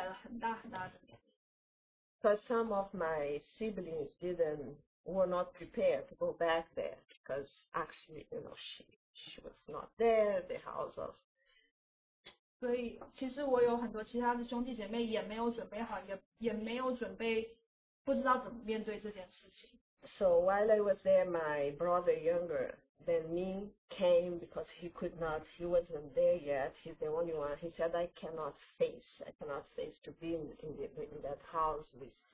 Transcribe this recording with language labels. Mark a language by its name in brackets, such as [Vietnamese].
[Chinese] 所以这一次神的话真的就对我和我的家带来了很大很大的。But [English] some of my siblings didn't. Were not prepared to go back there because actually, you know, she was not there. The house of. [Chinese] 所以其实我有很多其他的兄弟姐妹也没有准备好，也没有准备，不知道怎么面对这件事情。So [English] while I was there, my brother younger than me came because he could not. He wasn't there yet. He's the only one. He said, "I cannot face to be in that house with."